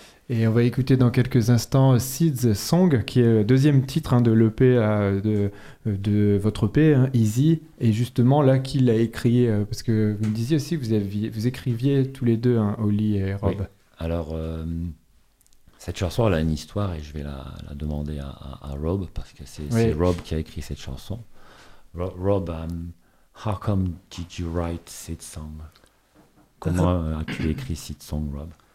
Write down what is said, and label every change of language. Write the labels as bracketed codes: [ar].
[fr] Et on va écouter dans quelques instants Seeds Song, qui est le deuxième titre de l'EP de votre EP, hein, Easy. Et justement, là, qui l'a écrit, parce que vous me disiez aussi que vous écriviez tous les deux, hein, Oli et Rob. Oui. Alors, cette chanson, elle a une histoire et je vais la demander à Rob, parce que c'est Rob qui a écrit cette chanson. [en] Rob, how come did you write Seeds Song? [fr] Comment as-tu écrit Seeds Song, Rob?